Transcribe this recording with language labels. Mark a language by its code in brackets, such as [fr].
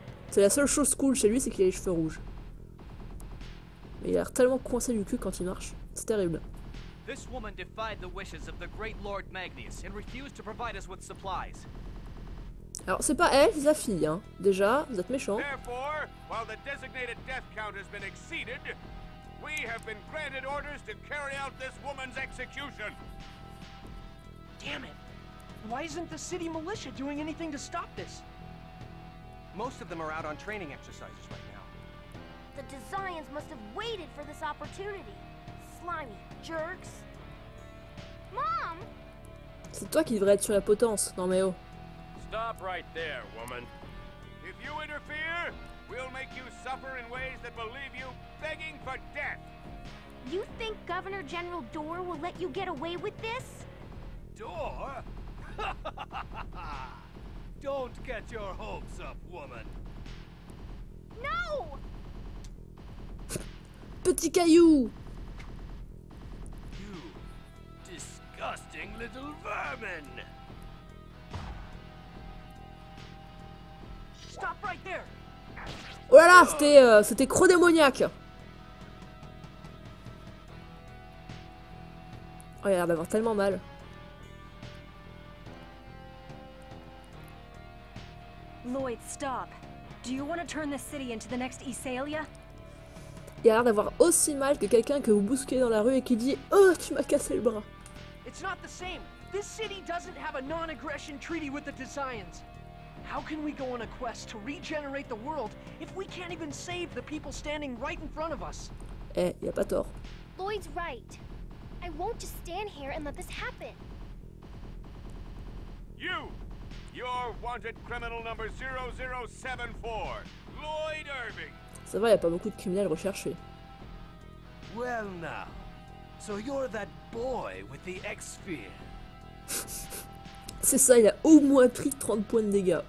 [fr] C'est la seule chose cool chez lui, c'est qu'il a les cheveux rouges. Mais il a l'air tellement coincé du cul quand il marche. C'est terrible. [en] This woman defied the wishes of the great Lord Magnus and refused to provide us with supplies. [fr] Alors, c'est pas elle, c'est sa fille, hein. Déjà, vous êtes méchant. [en] Therefore, while the designated death count has been exceeded, we have been granted orders to carry out this woman's execution. Damn it! Why isn't the city militia doing anything to stop this? Most of them are out on training exercises right now. The Desaians must have waited for this opportunity. Slimy jerks. Mom! [fr] C'est toi qui devrais être sur la potence, non mais oh. [en] Stop right there, woman. If you interfere, we'll make you suffer in ways that will leave you begging for death. You think Governor General Dor will let you get away with this? Dor? Don't get your hopes up, woman. No! [fr] Petit caillou! [en] You disgusting little vermin! [fr] Oh là là, c'était cro-démoniaque. Oh, il a l'air d'avoir tellement mal. [en] Lloyd, stop. Do you want to turn the city into the next Isalia? [fr] Il a l'air d'avoir aussi mal que quelqu'un que vous bousculez dans la rue et qui dit oh, tu m'as cassé le bras. [en] It's not the same. This city doesn't have a non-aggression treaty with the Desaians. How can we go on a quest to regenerate the world if we can't even save the people standing right in front of us? [fr] Eh, y a pas tort. [en] Lloyd's right. I won't just stand here and let this happen. You! You're wanted criminal number 0074, Lloyd Irving. [fr] Ça va, y a pas beaucoup de criminels recherchés. [en] Well now, so you're that boy with the X-Sphere. [fr] C'est ça, il a au moins pris 30 points de dégâts.